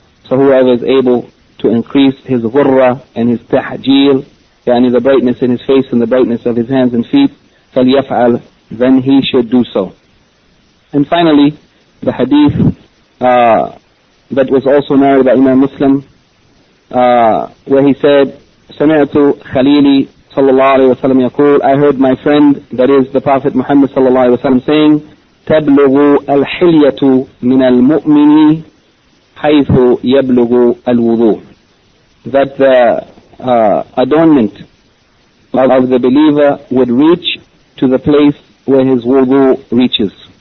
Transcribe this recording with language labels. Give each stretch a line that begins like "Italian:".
English: So whoever is able to increase his ghurra and his tahjeel, yani the brightness in his face and the brightness of his hands and feet,
Arabic: فَلْيَفْعَلْ,
English: then he should do so. And finally, the hadith that was also narrated by Imam Muslim, where he said,
Arabic: سمعت خليلي صلى الله عليه وسلم يقول,
English: I heard my friend, that is the Prophet Muhammad
Arabic: صلى الله عليه وسلم,
English: saying,
Arabic: تبلغ الحلية من المؤمن حيث يبلغ الوضوء.
English: That the adornment of the believer would reach to the place where his wudu reaches.